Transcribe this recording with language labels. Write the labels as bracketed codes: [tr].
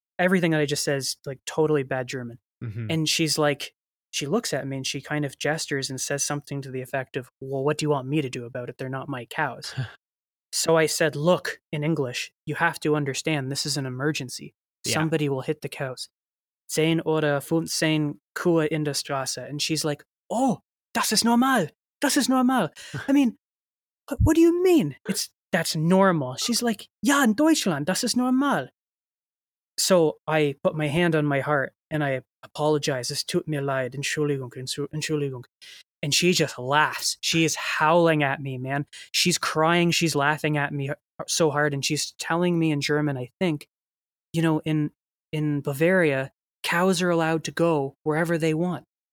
[en] Everything that I just said is like totally bad German. Mm-hmm. And she's like, she looks at me and she kind of gestures and says something to the effect of, "Well, what do you want me to do about it? They're not my cows." So I said, look, in English, you have to understand this is an emergency. Yeah. Somebody will hit the cows. [de] Zehn oder 15 Kühe in der Straße. [en] And she's like, oh, [de] das ist normal. Das ist normal. [en] I mean, what do you mean? That's normal. She's like, [de] ja, in Deutschland, das ist normal. [en] So I put my hand on my heart and I apologize. [de] Es tut mir leid. Entschuldigung. [en] And she just laughs. She is howling at me, man. She's crying. She's laughing at me so hard. And she's telling me in German, I think, you know, in Bavaria, cows are allowed to go wherever they want.